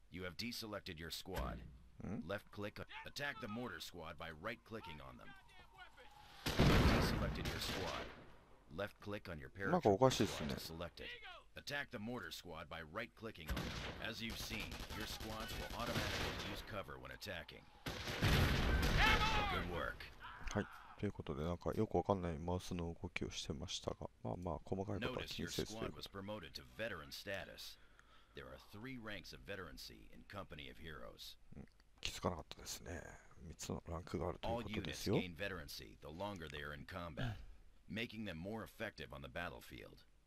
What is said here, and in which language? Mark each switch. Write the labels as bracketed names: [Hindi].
[English] You have deselected your squad. Left click. Attack the mortar squad by right clicking on them. Deselected your squad. Left click on your paratrooper squad to select it. Attack the mortar squad by right clicking on them. As you've seen, your squads will automatically use cover when attacking. Good work. [Japanese] ということで、なんかよくわかんないマウスの動きをしてましたが、まあまあ細かいことは気にせず。 [English] Notice your squad was promoted to veteran status. There are three ranks of veterancy in Company of Heroes. [Japanese] 気づかなかったですね。3つのランクがあるということですよ。 [English] All units gain veterancy the longer they are in combat, making them more effective on the battlefield.